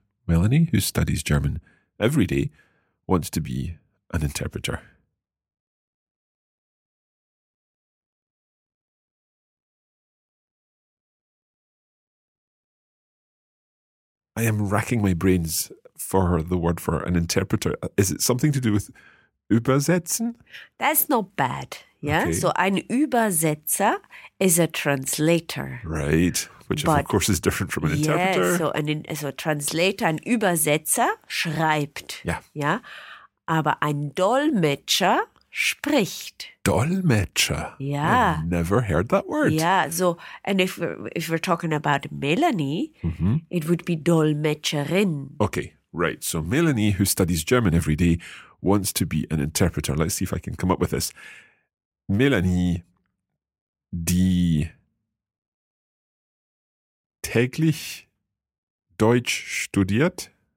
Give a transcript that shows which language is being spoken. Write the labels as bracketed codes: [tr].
[en] Melanie, who studies German every day, wants to be an interpreter. I am racking my brains for the word for an interpreter. Is it something to do with übersetzen? That's not bad. Yeah, okay. So ein Übersetzer is a translator. Right, of course is different from an interpreter. Yeah, so a translator, [de] ein Übersetzer, schreibt. [en] Yeah. [de] Yeah, aber ein Dolmetscher spricht. Dolmetscher? [en] Yeah. I've never heard that word. Yeah, so, and if we're talking about Melanie, it would be Dolmetscherin. Okay, right, so Melanie, who studies German every day, wants to be an interpreter. Let's see if I can come up with this. [de] Melanie, die täglich Deutsch studiert,